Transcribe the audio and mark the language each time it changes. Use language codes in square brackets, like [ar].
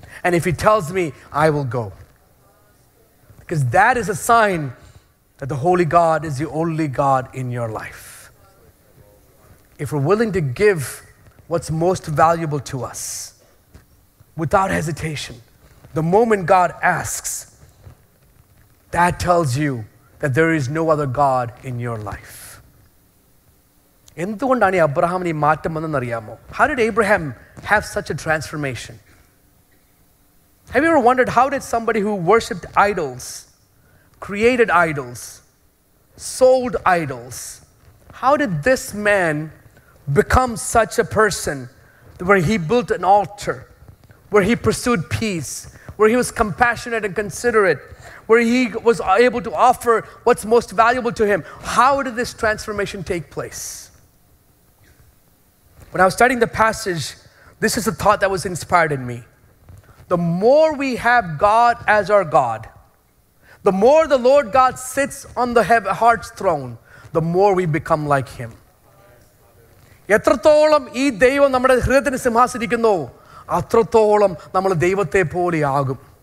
[en] And if He tells me, I will go. Because that is a sign that the Holy God is the only God in your life. If we're willing to give what's most valuable to us, without hesitation, the moment God asks, that tells you that there is no other God in your life. [ml] എന്തുകൊണ്ടാണ് അബ്രഹാമിന് ഈ മാറ്റം വന്നതെന്ന് അറിയാമോ? [en] How did Abraham have such a transformation? Have you ever wondered how did somebody who worshipped idols, created idols, sold idols, how did this man become such a person where he built an altar, where he pursued peace, where he was compassionate and considerate, where he was able to offer what's most valuable to him? How did this transformation take place? When I was studying the passage, this is a thought that was inspired in me. The more we have God as our God, the more the Lord God sits on the heart's throne, the more we become like Him. [ml] എത്രത്തോളം ഈ ദൈവം നമ്മുടെ ഹൃദയത്തിന് സിംഹാസിക്കുന്നു അത്രത്തോളം നമ്മൾ ദൈവത്തെ പോലെ ആകും.